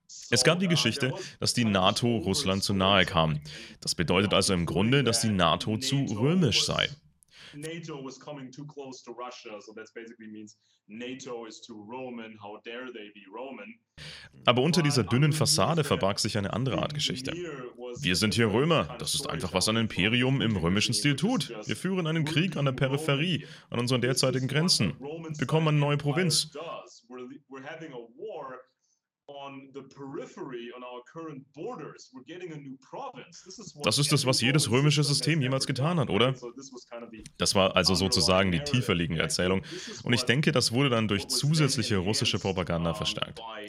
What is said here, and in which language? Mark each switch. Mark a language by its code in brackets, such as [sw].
[de] Es gab die Geschichte, dass die NATO Russland zu nahe kam. Das bedeutet also im Grunde, dass die NATO zu römisch sei. [en] NATO was coming too close to Russia, so that basically means NATO is too Roman, how dare they be Roman. [de] Aber unter dieser dünnen Fassade verbarg sich eine andere Art Geschichte. Wir sind hier Römer, das ist einfach, was ein Imperium im römischen Stil tut. Wir führen einen Krieg an der Peripherie, an unseren derzeitigen Grenzen, bekommen eine neue Provinz. [en] We're having a war on the periphery, on our current borders. We're getting a new province. [de] Das ist es, was jedes römische System jemals getan hat, oder? Das war also sozusagen die tiefer liegende Erzählung. Und ich denke, das wurde dann durch zusätzliche russische Propaganda verstärkt.